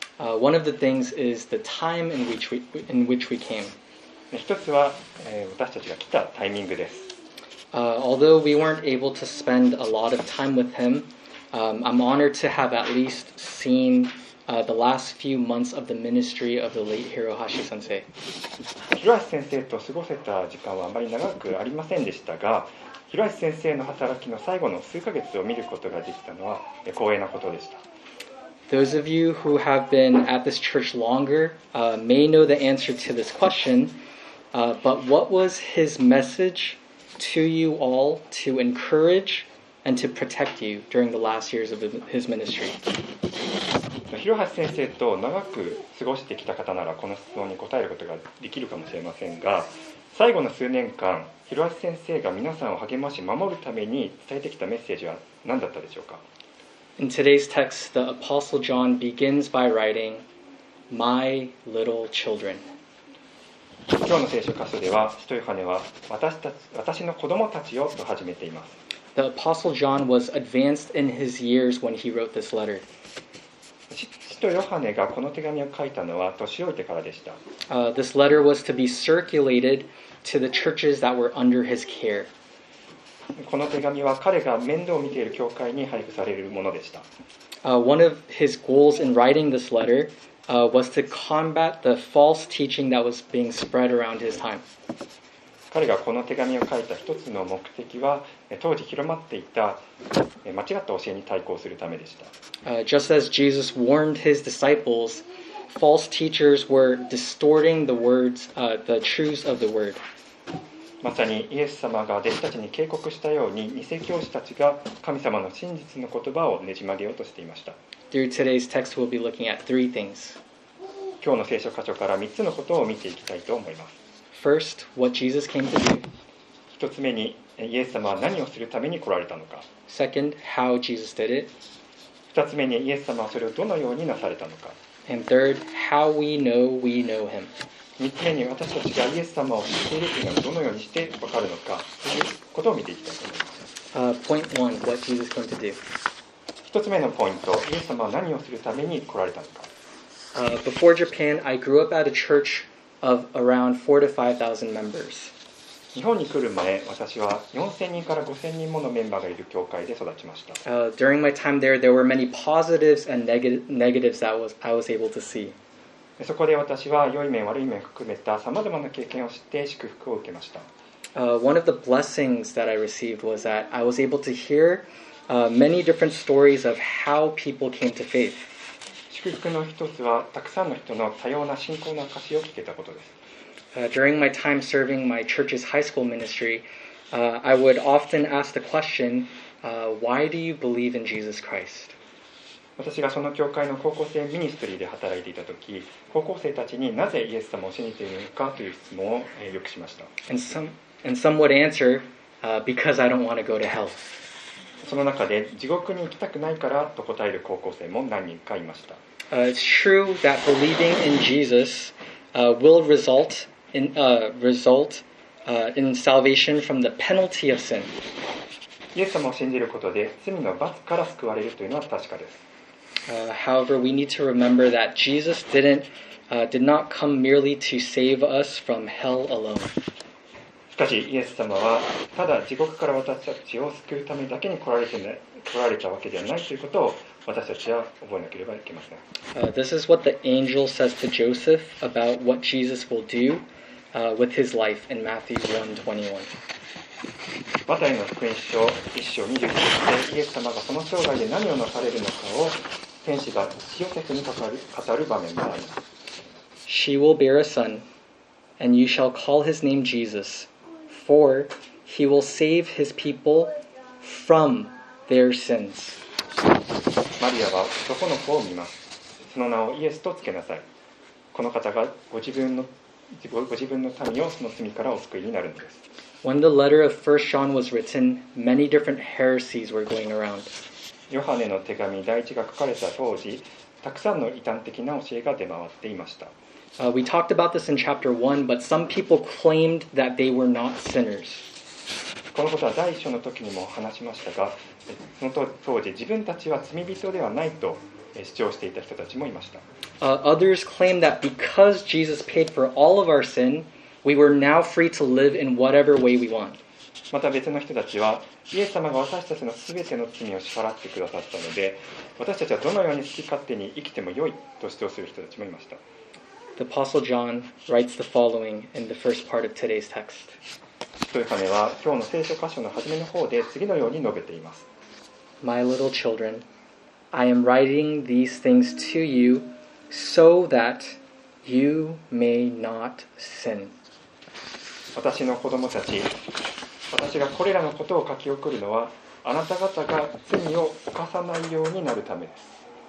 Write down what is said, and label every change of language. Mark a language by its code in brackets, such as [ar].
[en] One of the things is the time in which we came. [ja] 一つは、私たちが来たタイミングです。 [en] Although we weren't able to spend a lot of time with him, I'm honored to have at least seen the last few months of the ministry of the late Hirohashi sensei. [ja] Hiroshi 先生と過ごせた時間はあまり長くありませんでしたが、Hiroshi 先生の働きの最後の数ヶ月を見ることができたのは光栄なことでした。 [en] Those of you who have been at this church longer, may know the answer to this question, but what was his message? To you all, to encourage and to protect you during the last years of his ministry. [ja] Hirohashi 先生と長く過ごしてきた方ならこの質問に答えることができるかもしれませんが、最後の数年間、Hirohashi 先生が皆さんを励まし守るために伝えてきたメッセージは何だったでしょうか? [en] In today's text, the Apostle John begins by writing, "My little children." [ja] 今日の聖書箇所では、使徒ヨハネは私の子供たちよと始めています。 [en] The Apostle John was advanced in his years when he wrote this letter. [ja] 使徒ヨハネがこの手紙を書いたのは年老いてからでした。 [en] This letter was to be circulated to the churches that were under his care. [ja] この手紙は彼が面倒を見ている教会に配布されるものでした。 [en] One of his goals in writing this letter. Was to combat the false teaching that was being spread around his time. [ja] 彼がこの手紙を書いた一つの目的は、当時広まっていた間違った教えに対抗するためでした。 [en] Just as Jesus warned his disciples, false teachers were distorting the words, the truths of the word. [ja] まさにイエス様が弟子たちに警告したように、偽教師たちが神様の真実の言葉をねじ曲げようとしていました。 [en] Through today's text, we'll be looking at three things. [ja] 今日の聖書箇所から3つのことを見ていきたいと思います。 [en] First, what Jesus came to do. [ja] 1つ目に、イエス様は何をするために来られたのか。 [en] Second, how Jesus did it. [ja] 2つ目に、イエス様はそれをどのようになされたのか。 [en] And third, how we know him. [ja] 3つ目に、私たちがイエス様を知っているというのはどのようにしてわかるのか、ということを見ていきたいと思います。 [en] Point one, what Jesus came to do. [ja] 1つ目のポイント、イエス様は何をするために来られたのか。 [en] Before Japan, I grew up at a church of around 4,000 to 5,000 members. [ja] 日本に来る前、私は4000人から5000人ものメンバーがいる教会で育ちました。 [en] During my time there, there were many positives and negatives that I was able to see. [ja] そこで私は良い面、悪い面を含めた様々な経験を知って祝福を受けました。 [en] One of the blessings that I received was that I was able to hearmany different stories of how people came to faith. [ja] 祝福の一つはたくさんの人の多様な信仰の証を聞けたことです。 [en] During my time serving my church's high school ministry, I would often ask the question, why do you believe in Jesus Christ? [ja] 私がその教会の高校生ミニストリーで働いていたとき、高校生たちになぜイエス様を信じているのかという質問を、よくしました。 [en] And some would answer, because I don't want to go to hell. [ja] その中で地獄に行きたくないからと答える高校生も何人かいました。 [en] It's true that believing in Jesus, will result in salvation from the penalty of sin. [ja] イエス様を信じることで罪の罰から救われるというのは確かです。 [en] However, we need to remember that Jesus did not come merely to save us from hell alone. [ja] しかし、イエス様はただ地獄から私たちを救うためだけに来られたわけではないということを私たちは覚えなければいけません。 [en] This is what the angel says to Joseph about what Jesus will do with his life in Matthew 1:21. [ja] マタイの福音書1章29節でイエス様がその生涯で何をなされるのかを天使が父ヨセフに語る場面があります。 [en] She will bear a son, and you shall call his name Jesus, for he will save his people from their sins. [ja] マリアは男の子を見ます。その名をイエスとつけなさい。この方がご自分の民をその罪からお救いになるのです。 [en] When the letter of 1 John was written, many different heresies were going around. [ja] ヨハネの手紙第一が書かれた当時、たくさんの異端的な教えが出回っていました。 [en] We talked about this in chapter 1, but some people claimed that they were not sinners. [ja] このことは第一章の時にも話しましたが、その当時自分たちは罪人ではないと主張していた人たちもいました。 [en] Others claimed that because Jesus paid for all of our sin,We were now free to live in whatever way we want. [ja] また別の人たちは、イエス様が私たちのすべての罪を支払ってくださったので、私たちはどのように好き勝手に生きてもよいと主張する人たちもいました。 [en] The Apostle John writes the following in the first part of today's text. [ja] ヨハネは今日の聖書箇所の初めの方で次のように述べています。 [en] My little children, I am writing these things to you so that you may not sin. [ja] 私の子供たち、私がこれらのことを書き送るのは、あなた方が罪を犯さないようになるためです。